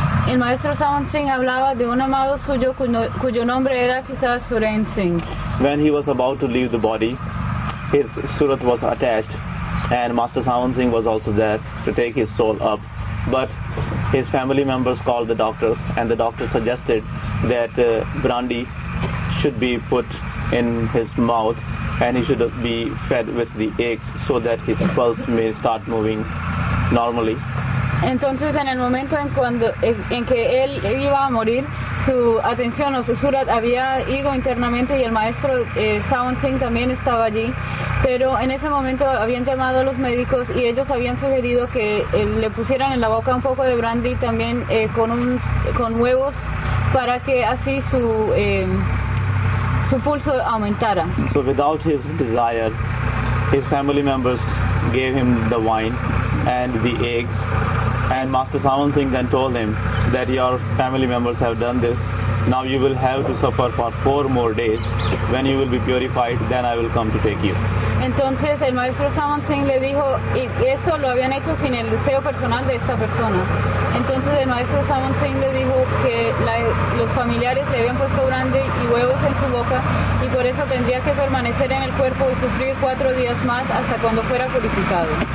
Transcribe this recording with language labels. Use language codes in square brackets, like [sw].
[es] El maestro Savan Singh hablaba de un amado suyo cuyo nombre era quizás Surain Singh. [en] When he was about to leave the body, his surat was attached and Master Savan Singh was also there to take his soul up, but his family members called the doctors and the doctor suggested that brandy should be put in his mouth and he should be fed with the eggs so that his pulse may start moving normally. [es] Entonces en el momento en que él iba a morir, su atención o su surat había ido internamente y el maestro Savan Singh también estaba allí, pero en ese momento habían llamado a los médicos y ellos habían sugerido que le pusieran en la boca un poco de brandy también con huevos para que así su su pulso aumentara. [en] So without his desire, his family members gave him the wine and the eggs, and Master Savan Singh then told him that your family members have done this, now you will have to suffer for 4 more days, when you will be purified then I will come to take you. [es] Entonces el maestro Savan Singh le dijo, y esto lo habían hecho sin el deseo personal de esta persona. Entonces el maestro Savan Singh le dijo que los familiares le habían puesto brandy y huevos en su boca y por eso tendría que permanecer en el cuerpo y sufrir 4 días más hasta cuando fuera purificado.